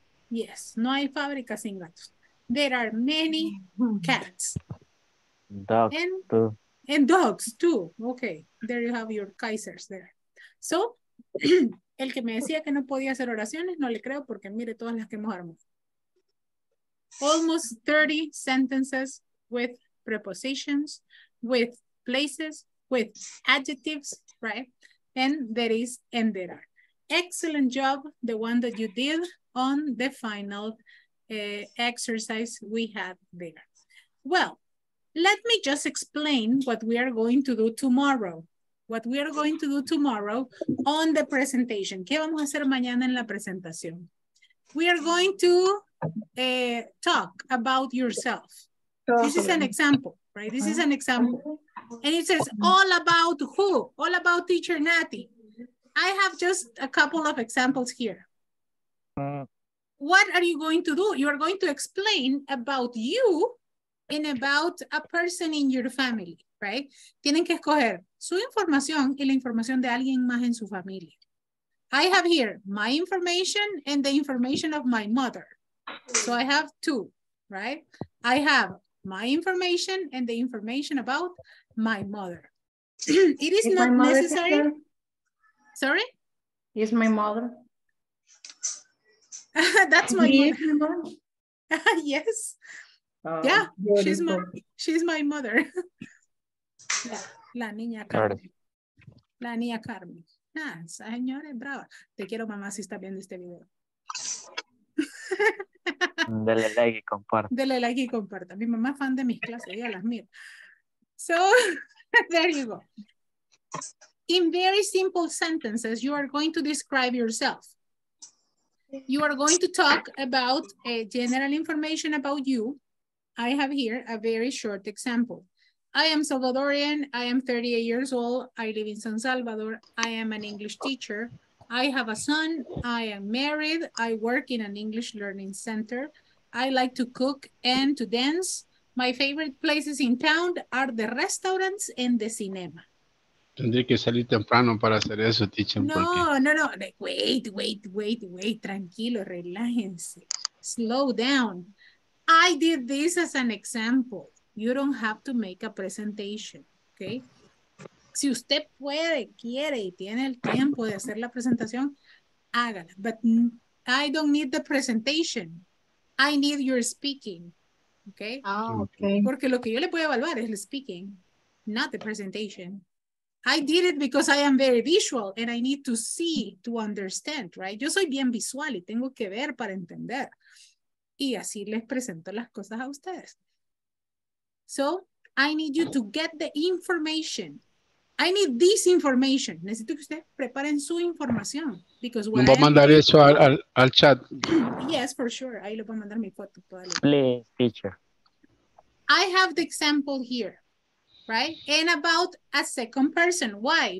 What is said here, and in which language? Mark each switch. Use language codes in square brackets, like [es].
[es] Yes, no hay fábrica sin gatos. [en] There are many cats. Dogs too. And dogs too. Okay, there you have your Kaisers there. [es] So, el que me decía que no podía hacer oraciones, no le creo porque mire todas las que hemos armado. [en] Almost 30 sentences with prepositions, with places, with adjectives, right? And there is and there are. Excellent job, the one that you did on the final exercise we had there. Well, let me just explain what we are going to do tomorrow. What we are going to do tomorrow on the presentation. [es] ¿Qué vamos a hacer mañana en la presentación? [en] We are going to talk about yourself. This is an example, right? This is an example. And it says, all about who? All about teacher Nati. I have just a couple of examples here. What are you going to do? You are going to explain about you and about a person in your family, right? [es] Tienen que escoger su información y la información de alguien más en su familia. [en] I have here my information and the information of my mother. So I have two, right? I have my information and the information about my mother. It is not necessary. Sorry? Is my mother? That's my mother. Yes. Yeah, she's my mother. La niña Carmen. La niña Carmen. [es] Ah, señores, brava. Te quiero, mamá, si estás viendo este video. Dale like y comparte. Dale like y comparte. Mi mamá es fan de mis clases, ella las mira. [en] So, there you go. In very simple sentences, you are going to describe yourself. You are going to talk about a general information about you. I have here a very short example. I am Salvadorian. I am 38 years old. I live in San Salvador. I am an English teacher. I have a son. I am married. I work in an English learning center. I like to cook and to dance. My favorite places in town are the restaurants and the cinema. [es] Tendré que salir temprano para hacer eso, teacher. No, no, no. [en] Wait. [es] Tranquilo, relájense. [en] Slow down. I did this as an example. You don't have to make a presentation, okay? [es] Si usted puede, quiere, y tiene el tiempo de hacer la presentación, hágala. [en] But I don't need the presentation. I need your speaking, okay? Ah, okay. [es] Porque lo que yo le puedo evaluar es el speaking, [en] not the presentation. I did it because I am very visual and I need to see to understand, right? [es] Yo soy bien visual y tengo que ver para entender. Y así les presento las cosas a ustedes. [en] So, I need you to get the information. I need this information. [es] Necesito que ustedes preparen su información. [en] Because what [es] voy a mandar eso al chat. [en] Yes, for sure. [es] Ahí lo voy a mandar mi foto. [en] Please, teacher. I have the example here. Right? And about a second person. Why?